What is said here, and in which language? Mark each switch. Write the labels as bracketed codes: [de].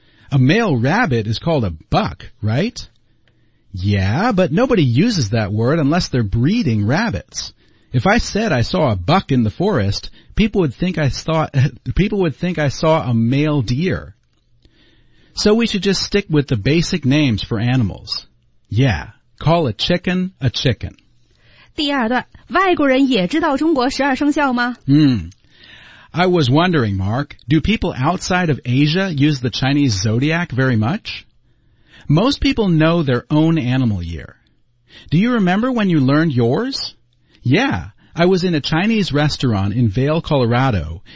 [en] A male rabbit is called a buck, right? Yeah, but nobody uses that word unless they're breeding rabbits. If I said I saw a buck in the forest, people would think I saw a male deer. So we should just stick with the basic names for animals. Yeah, call a chicken a chicken. [zh] 第二段，外国人也知道中国十二生肖吗？ [en] I was wondering, Mark, do people outside of Asia use the Chinese zodiac very much? Most people know their own animal year. Do you remember when you learned yours? Yeah, I was in a Chinese restaurant in Vail, Colorado.